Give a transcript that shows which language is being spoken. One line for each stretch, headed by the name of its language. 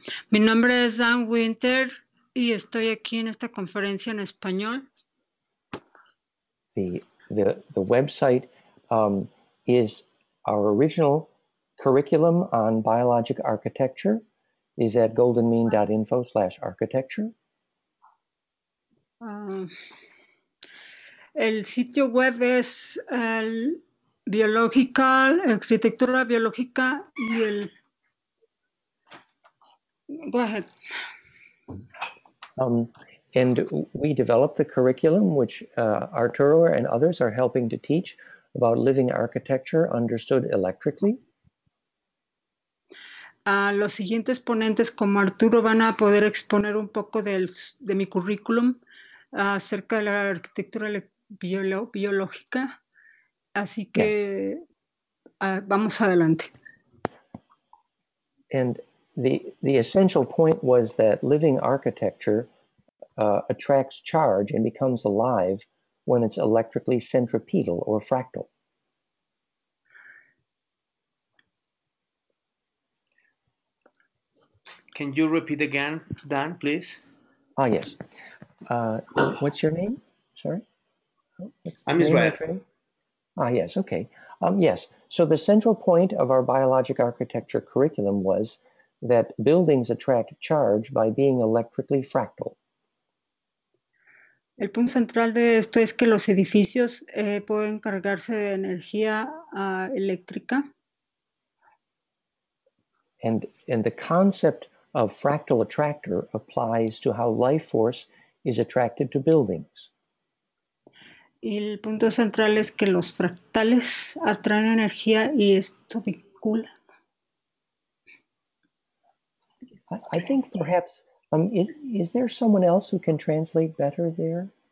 Spanish: Mi nombre es Dan Winter, y estoy aquí en esta conferencia en español.
English: The website is our original curriculum on biologic architecture is at goldenmean.info/architecture.
Spanish: El sitio web es el biológica, arquitectura biológica y el...
English: Go ahead. And we developed the curriculum, which Arturo and others are helping to teach about living architecture understood electrically.
Spanish: Los siguientes ponentes como Arturo van a poder exponer un poco de mi currículum acerca de la arquitectura biológica. Así que vamos adelante.
English: And the essential point was that living architecture attracts charge and becomes alive when it's electrically centripetal or fractal. Can you repeat again, Dan, please? Ah, yes. What's your name? Sorry? I'm Israel. Ah, yes, okay. Yes, so the central point of our biologic architecture curriculum was that buildings attract charge by being electrically fractal.
Spanish: El punto central de esto es que los edificios pueden cargarse de energía eléctrica.
English: And the concept of fractal attractor applies to how life force is attracted to buildings.
Spanish: Y el punto central es que los fractales atraen energía y esto vincula.
English: I think perhaps, is there someone else who can translate better there?